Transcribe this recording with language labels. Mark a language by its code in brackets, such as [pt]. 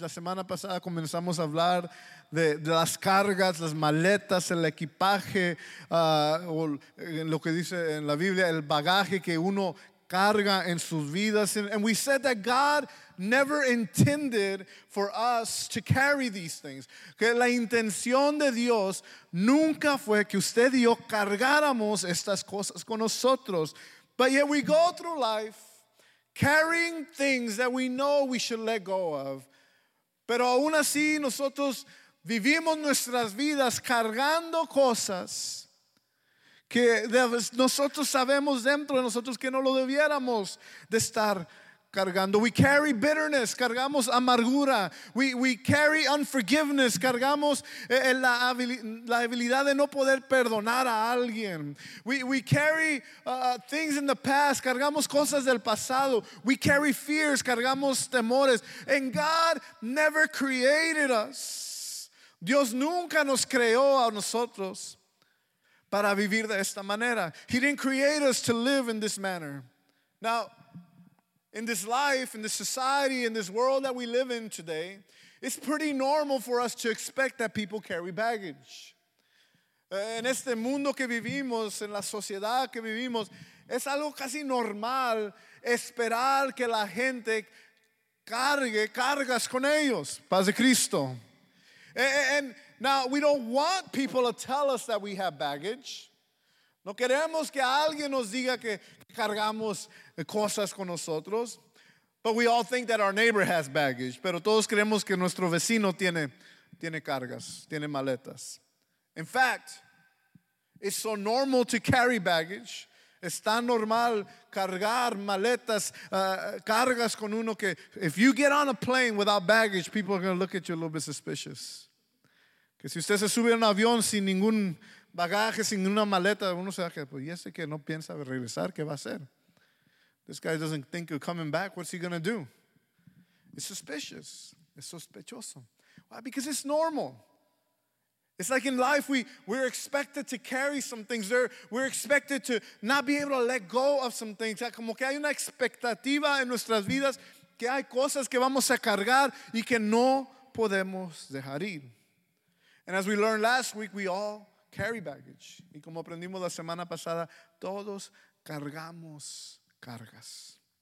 [es] La semana pasada comenzamos a hablar de las cargas, las maletas, el equipaje, o en lo que dice en la Biblia, el bagaje que uno carga en sus vidas. [en] And we said that God never intended for us to carry these things. [es] Que la intención de Dios nunca fue que usted y yo cargáramos estas cosas con nosotros. [en] But yet we go through life carrying things that we know we should let go of. [es] Pero aún así nosotros vivimos nuestras vidas cargando cosas que nosotros sabemos dentro de nosotros que no lo debiéramos de estar cargando. [en] We carry bitterness, [es] cargamos amargura. [en] We carry unforgiveness, [es] cargamos la habilidad de no poder perdonar a alguien. [en] We carry things in the past, [es] cargamos cosas del pasado. [en] We carry fears, [es] cargamos temores. [en] And God never created us. [es] Dios nunca nos creó a nosotros para vivir de esta manera. [en] He didn't create us to live in this manner. Now, in this life, in this society, in this world that we live in today, it's pretty normal for us to expect that people carry baggage. [es] En este mundo que vivimos, en la sociedad que vivimos, es algo casi normal esperar que la gente cargue cargas con ellos. Paz de Cristo. [en] And now, we don't want people to tell us that we have baggage. [es] No queremos que alguien nos diga que cargamos cosas con nosotros. [en] But we all think that our neighbor has baggage. [es] Pero todos creemos que nuestro vecino tiene cargas, tiene maletas. [en] In fact, it's so normal to carry baggage. [es] Es tan normal cargar maletas, cargas con uno que [en] if you get on a plane without baggage, people are going to look at you a little bit suspicious. [es] Que si usted se sube a un avión sin ningún bagaje, sin una maleta, uno se da que, pues, ¿y ese que no piensa regresar? ¿Qué va a hacer? [en] This guy doesn't think of coming back. What's he going to do? It's suspicious. [es] Es sospechoso. [en] Why? Because it's normal. It's like in life, we're expected to carry some things. We're expected to not be able to let go of some things. [es] Como que hay una expectativa en nuestras vidas que hay cosas que vamos a cargar y que no podemos dejar ir. [en] And as we learned last week, we all carry baggage. [es] Y como aprendimos la semana pasada, todos cargamos cargas.